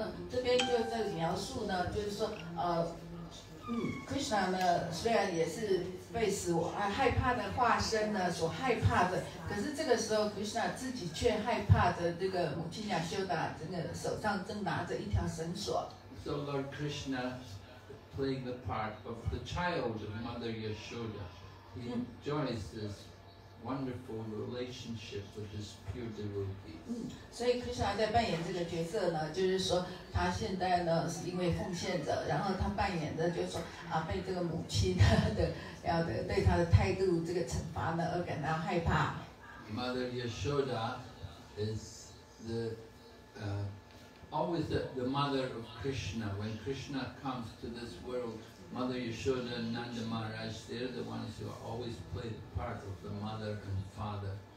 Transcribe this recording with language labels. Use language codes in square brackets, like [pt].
[zh] 这边就在描述呢，就是说，Krishna呢，虽然也是被死亡害怕的化身呢所害怕的，可是这个时候Krishna自己却害怕着这个母亲Yashoda，这个手上正拿着一条绳索。 [en] So Lord Krishna playing the part of the child of Mother Yashoda. He enjoys this wonderful relationship with his pure devotees. [zh] So Krishna 在扮演这个角色呢，就是说他现在呢是因为奉献者，然后他扮演的就是说被这个母亲的对他的态度这个惩罚呢而感到害怕。 [en] Mother Yashoda is the always the mother of Krishna. When Krishna comes to this world, Mother Yashoda and Nanda Maharaj, they're the ones who always play the part of the mother and father.